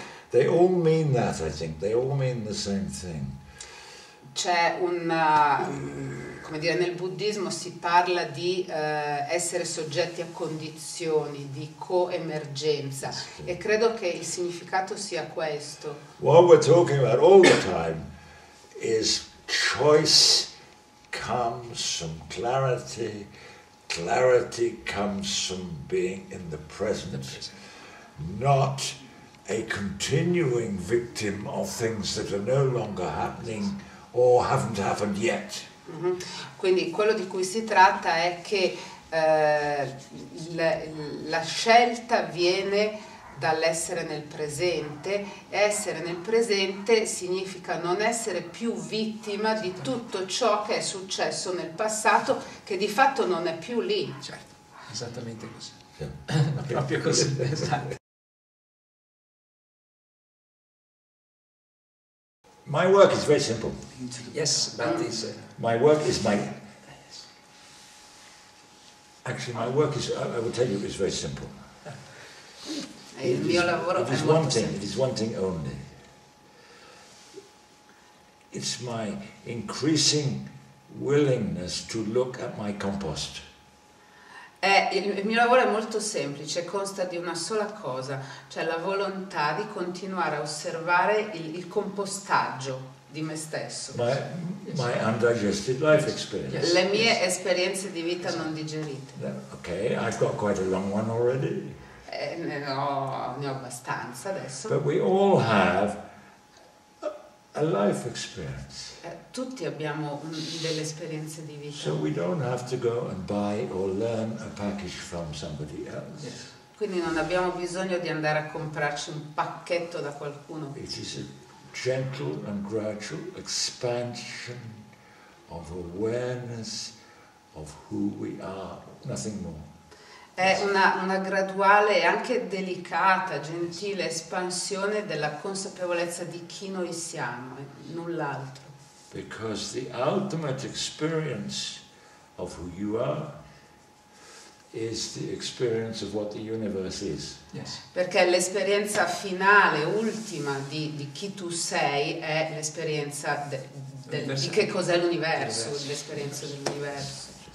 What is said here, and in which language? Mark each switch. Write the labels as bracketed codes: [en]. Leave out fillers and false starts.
[en] They all mean that, I think. They all mean the same thing. [it] C'è un come dire, nel buddismo si parla di essere soggetti a condizioni di coemergenza, e credo che il significato sia questo. [en] What we're talking about all the time is choice comes from clarity, clarity comes from being in the present, not a continuing victim of things that are no longer happening or haven't happened yet. Mm-hmm. [it] Quindi quello di cui si tratta è che la scelta viene dall'essere nel presente, e essere nel presente significa non essere più vittima di tutto ciò che è successo nel passato, che di fatto non è più lì. Certo, esattamente così. [en] Yeah. [it] Proprio così, esatto. [en] My work is very simple. Yes, but it's... My work is my... Actually, my work is, I will tell you, is very simple. It is one thing only. It's my increasing willingness to look at my compost. [it] Il mio lavoro è molto semplice, consta di una sola cosa, cioè la volontà di continuare a osservare il compostaggio di me stesso. [en] My undigested life experience. Yes. [it] Le mie esperienze di vita non digerite. [en] Ok, I've got quite a long one already. [it] Ne ho abbastanza adesso. [en] But we all have a life experience. Tutti abbiamo delle esperienze di vita. So we don't have to go and buy or learn a package from somebody else. Yes. [it] Quindi non abbiamo bisogno di andare a comprarci un pacchetto da qualcuno. [en] It is a gentle and gradual expansion of awareness of who we are, nothing more. [it] È una graduale e anche delicata, gentile espansione della consapevolezza di chi noi siamo, null'altro. [en] Because the ultimate experience of who you are is the experience of what the universe is. Yes. [it] Perché l'esperienza finale, ultima di chi tu sei è l'esperienza di che cos'è l'universo, l'esperienza dell'universo.